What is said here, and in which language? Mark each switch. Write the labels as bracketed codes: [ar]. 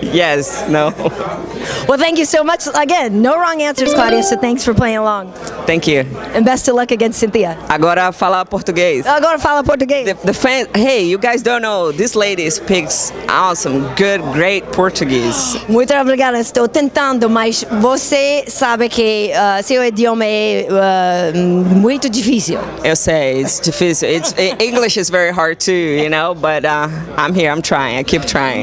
[en] Yes, no. Well, thank you so much. Again, no wrong answers, Claudia, so thanks for playing along. Thank you. And best of luck against Cynthia. [pt] Agora fala português. Agora fala português. [en] The fan, hey, you guys don't know, this lady speaks awesome, good, great Portuguese. [pt] Muito obrigada, estou tentando, mas você sabe que seu idioma é muito difícil. Eu sei, it's difícil. [en] English is very hard too, you know, but I'm here, I'm trying, I keep trying.